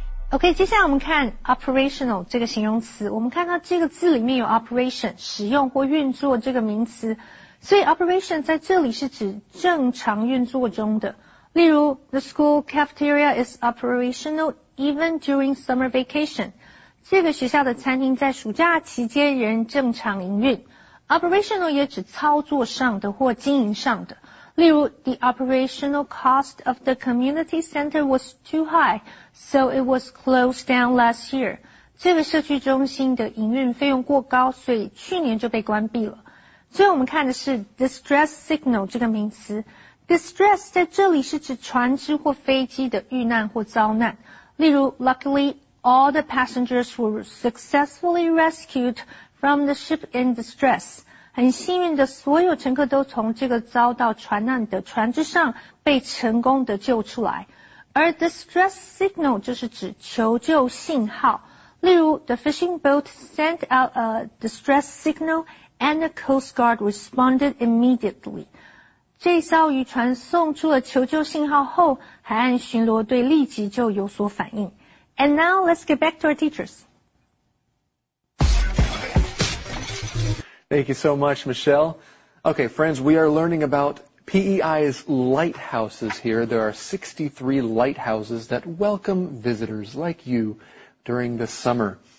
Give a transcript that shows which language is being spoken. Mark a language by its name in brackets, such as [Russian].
[Chinese] OK, 接下来我们看 operational 这个形容词。我们看到这个字里面有 operation, 使用或运作这个名词。所以 operation 在这里是指正常运作中的。例如 [English] ,the school cafeteria is operational even during summer vacation. [Chinese] 这个学校的餐厅在暑假期间仍正常营运。 operational 也指操作上的或经营上的。例如 [English] ,the operational cost of the community center was too high, so it was closed down last year. [Chinese] 这个社区中心的营运费用过高，所以去年就被关闭了。最后我们看的是 distress signal 这个名词。distress 在这里是指船只或飞机的遇难或遭难。例如 [English] ,luckily, all the passengers were successfully rescued from the ship in distress. [Chinese] 很幸运的所有乘客都从这个遭到船难的船只上被成功的救出来。而 distress signal 就是指求救信号。例如 [English] the fishing boat sent out a distress signal and the Coast Guard responded immediately. [Chinese] 这艘渔船送出了求救信号后，海岸巡逻队立即就有所反应。 [English] And now let's get back to our teachers. Thank you so much, Michelle. Okay, friends, we are learning about PEI's lighthouses here. There are 63 lighthouses that welcome visitors like you during the summer.